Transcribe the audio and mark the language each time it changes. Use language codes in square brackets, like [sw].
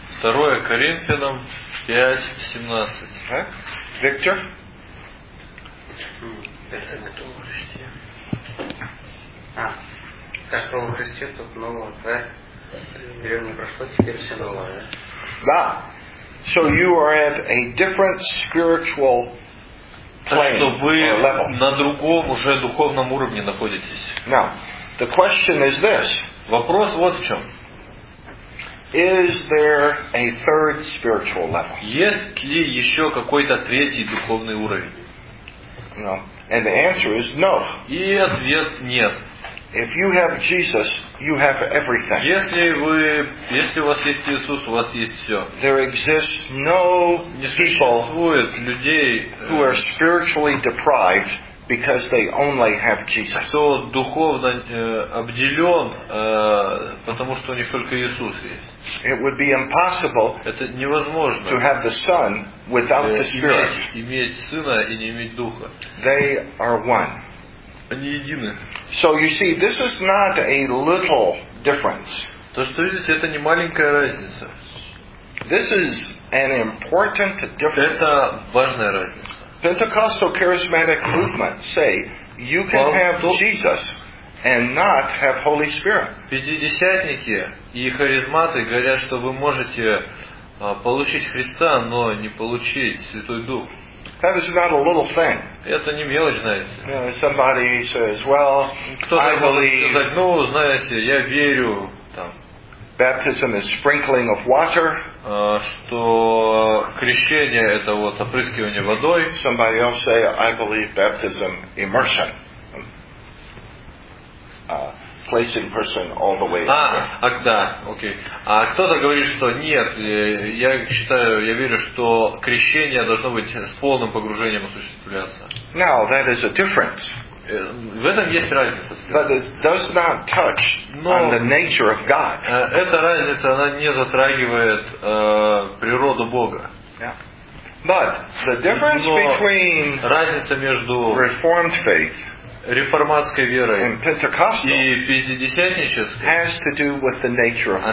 [ru] 2 Коринфянам 5:17. Виктор? Это не то во Христе. Как во Христе, тут новое, да? Древнее прошло, теперь все новое. Да. [en] So you are at a different spiritual plane. [ru] Так что вы на другом уже духовном уровне находитесь. [en] Now, the question is this. [ru] Вопрос вот в чем. [en] Is there a third spiritual level? [ru] Есть ли еще какой-то третий духовный уровень? [en] No. And the answer is no. [ru] И ответ нет. [en] If you have Jesus, you have everything. [ru] Если у вас есть Иисус, у вас есть все. [en] There exists no people [ru] людей, [en] who are spiritually deprived because they only have Jesus. [ru] Кто духовно обделен, потому что у них только Иисус есть. [en] It would be impossible to have the Son without the Spirit. [ru] Иметь Сына и не иметь Духа. [en] They are one. [ru] Они едины. [en] So you see, this is not a little difference. [ru] То, что видите, это не маленькая разница. [en] This is an important difference. [ru] Это важная разница. [en] Pentecostal charismatic movement say you can have Jesus and not have Holy Spirit. [ru] Пятидесятники и харизматы говорят, что вы можете получить Христа, но не получить Святой Дух. [en] That is not a little thing. [ru] Это не мелочь, знаете. [en] Somebody says, "Well, I believe." [ru] Ну, знаете, я верю. [en] Baptism is sprinkling of water. [ru] Что крещение это вот опрыскивание водой. [en] Somebody else say, "I believe baptism immersion." Placing person all the way. [ru] А кто-то говорит, что нет, я считаю, я верю, что крещение должно быть с полным погружением осуществляться. [en] Now that is a difference. [ru] В этом есть разница. [en] But it does not touch on the nature of God. [ru] Эта разница, она не затрагивает природу Бога. [en] Yeah. But the difference between [ru] разница между [en] Reformed faith [ru] реформатской верой [en] and Pentecostal [ru] и пятидесятнической [en] has to do with the nature of God.